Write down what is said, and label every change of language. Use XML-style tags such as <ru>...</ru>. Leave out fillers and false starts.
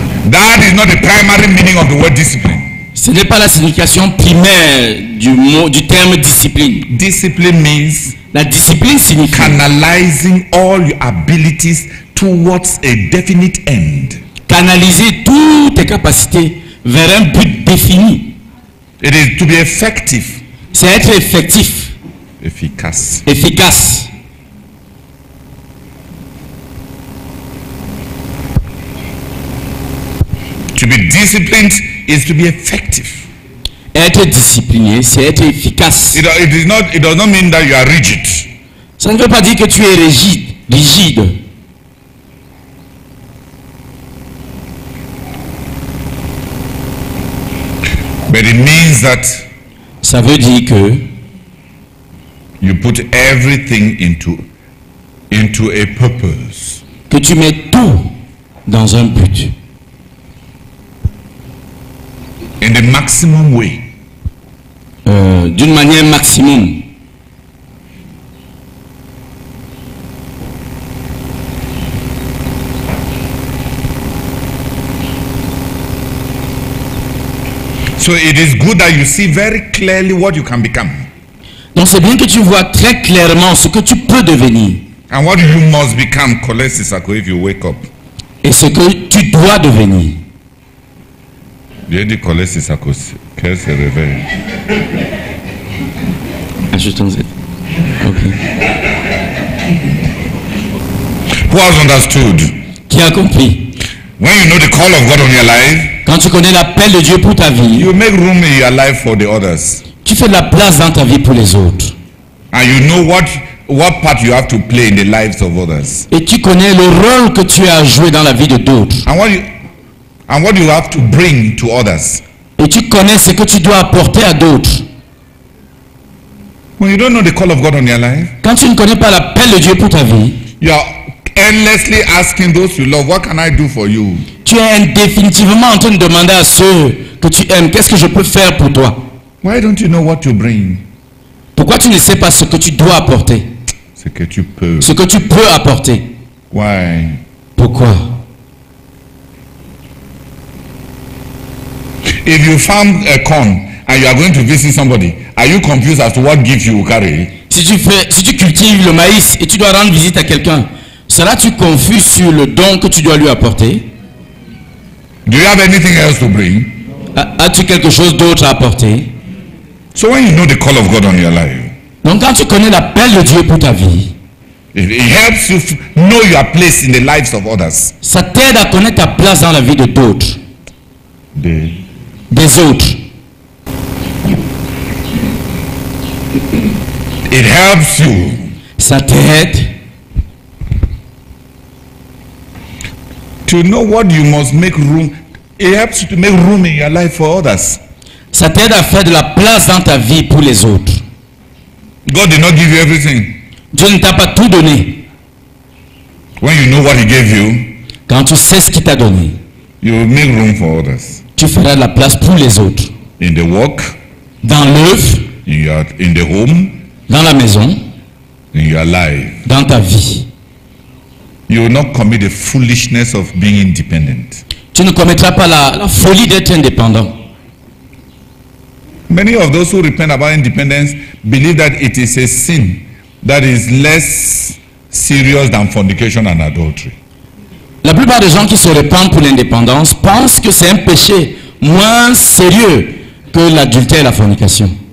<en>That is not the primary meaning of the word discipline.</en> <fr>Ce n'est pas la signification primaire du mot, du terme discipline.</fr> <en>Discipline means</en> <fr>la discipline signifie</fr> <en>canalizing all your abilities towards a definite end.</en> <fr>Canaliser toutes tes capacités vers un but défini.</fr> <en>It is to be effective.</en> <fr>C'est être effectif. Efficace. Efficace.</fr> <en>To be disciplined is to be effective.</en> <fr>Être discipliné, c'est être efficace.</fr> <en>It does not mean that you are rigid.</en> <fr>Ça ne veut pas dire que tu es rigide.</fr> <en>But it means that</en> <fr>ça veut dire que</fr> <en>you put everything into a purpose.</en> <fr>Que tu mets tout dans un but.</fr> <en>In the maximum way.</en> <fr>D'une manière maximum.</fr> <en>So it is good that you see very clearly what you can become.</en> <fr>Donc c'est bien que tu vois très clairement ce que tu peux devenir.</fr> <en>And what you must become, Colossus, if you wake up.</en> <fr>Et ce que tu dois devenir. Bien dit Colossus, qu'elle se réveille. Ajoutons-y. Ok.</fr> <en>Who has understood?</en> <fr>Qui a compris?</fr> <en>When you know the call of God on your life.</en> <fr>Quand tu connais l'appel de Dieu pour ta vie,</fr> <en>you make room in your life for the others.</en> <fr>Tu fais de la place dans ta vie pour les autres.</fr> <en>And you know what part you have to play in the lives of others.</en> <fr>Et tu connais le rôle que tu as joué dans la vie de d'autres.</fr> <en>And what you have to bring to others.</en> <fr>Et tu connais ce que tu dois apporter à d'autres.</fr> <en>When you don't know the call of God on your life,</en> <fr>quand tu ne connais pas l'appel de Dieu pour ta vie,</fr> <en>you are endlessly asking those you love, what can I do for you?</en> <fr>Tu es indéfinitivement en train de demander à ceux que tu aimes, qu'est-ce que je peux faire pour toi?</fr> <en>Why don't you know what you bring?</en> <fr>Pourquoi tu ne sais pas ce que tu dois apporter? Ce que tu peux. Ce que tu peux apporter.</fr> <en>Why?</en> <fr>Pourquoi?</fr> <en>If you farm a corn and you are going to visit somebody, are you confused as to what gift you will carry?</en> <fr>Si tu cultives le maïs et tu dois rendre visite à quelqu'un, seras-tu confus sur le don que tu dois lui apporter?</fr> <en>Do you have anything else to bring?</en> <fr>As-tu quelque chose d'autre à apporter?</fr> <en>So when you know the call of God on your life,</en> <fr>donc quand tu connais l'appel de Dieu pour ta vie,</fr> <en>it helps you know your place in the lives of others.</en> <fr>Ça t'aide à connaître ta place dans la vie de d'autres. Des autres.</fr> <en>It helps you.</en> <fr>Ça t'aide.</fr> <en>To know what you must make room. It helps you to make room in your life for others.</en> <fr>Ça t'aide à faire de la place dans ta vie pour les autres.</fr> <en>God did not give you everything.</en> <fr>Dieu ne t'a pas tout donné.</fr> <en>When you know what he gave you,</en> <fr>quand tu sais ce qu'il t'a donné,</fr> <en>you will make room for others.</en> <fr>Tu feras de la place pour les autres.</fr> <en>In the work.</en> <fr>Dans l'œuvre.</fr> <en>In the home.</en> <fr>Dans la maison.</fr> <en>In your life.</en> <fr>Dans ta vie.</fr> <en>You will not commit the foolishness of being independent.</en> <fr>Tu ne commettras pas la folie d'être indépendant.</fr> <en>Many of those who repent about independence believe that it is a sin that is less serious than fornication and adultery.</en> <fr>La plupart des gens qui se repentent pour l'indépendance pensent que c'est un péché moins sérieux que l'adultère et la fornication.</fr>